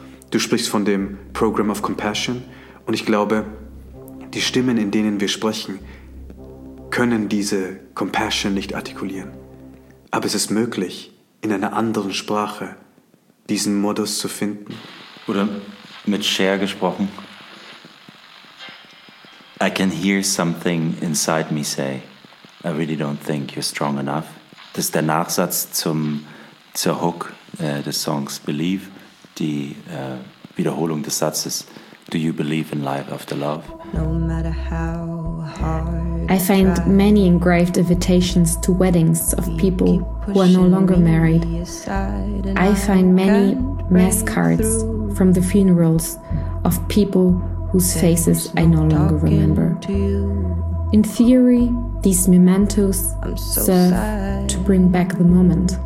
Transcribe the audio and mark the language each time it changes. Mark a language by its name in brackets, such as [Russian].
[German] Du sprichst von dem Program of Compassion und ich glaube, die Stimmen, in denen wir sprechen, können diese Compassion nicht artikulieren. Aber es ist möglich, in einer anderen Sprache diesen Modus zu finden. Oder mit Cher gesprochen. [English] I can hear something inside me say, I really don't think you're strong enough. [German] Das ist der Nachsatz zur Hook des Songs Believe, die Wiederholung des Satzes [English] Do you believe in life after love? No matter how I find many engraved invitations to weddings of people who are no longer married. I find many mass cards from the funerals of people whose faces I no longer remember. In theory, these mementos serve to bring back the moment.